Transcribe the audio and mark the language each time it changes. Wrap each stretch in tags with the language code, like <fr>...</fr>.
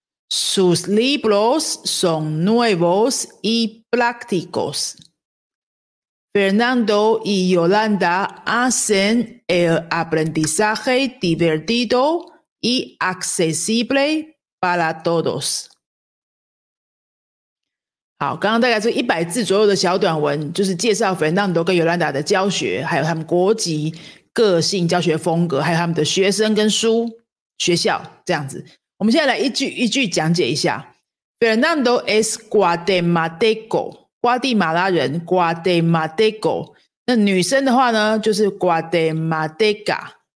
<es>Sus libros son nuevos y prácticos. Fernando y Yolanda hacen el aprendizaje divertido y accesible para todos.</es> <zh>好，刚刚大概是100字左右的小短文，就是介绍 Fernando 跟 Yolanda 的教学，还有他们国籍、个性、教学风格，还有他们的学生跟书、学校这样子。我们现在来一句一句讲解一下。</zh> <es>Fernando es guatemalteco，</es> <zh>瓜地马拉人</zh> <es>，guatemalteco。</es> <zh>那女生的话呢，就是 guatemalteca。</zh>